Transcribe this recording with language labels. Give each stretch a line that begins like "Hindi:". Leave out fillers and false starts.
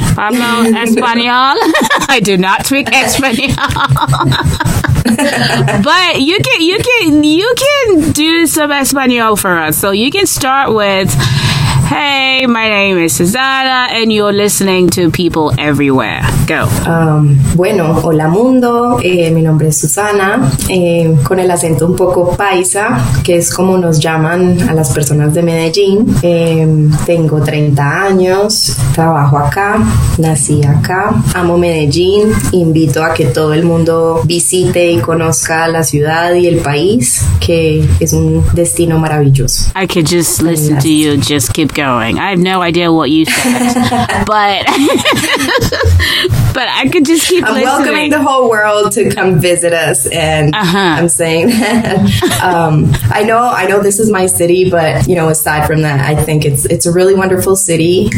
Spanish: Hablo español.
English: I do not speak español. But you can do some español for us. So you can start with, Hey, my name is Susanna, and you're listening to People Everywhere. Go.
Spanish: Bueno, hola mundo. Mi nombre es Susanna, con el acento un poco paisa, que es como nos llaman a las personas de Medellín. Tengo 30 años, trabajo acá, nací acá, amo Medellín. Invito a que todo el mundo visite y conozca la ciudad y el país, que es un destino maravilloso.
English: I could just listen to you just keep going. I have no idea what you said, but I could just keep I'm listening. I'm welcoming the whole world to come visit us, and I'm saying I know this is my city, but you know, aside from that, I think it's a really wonderful city.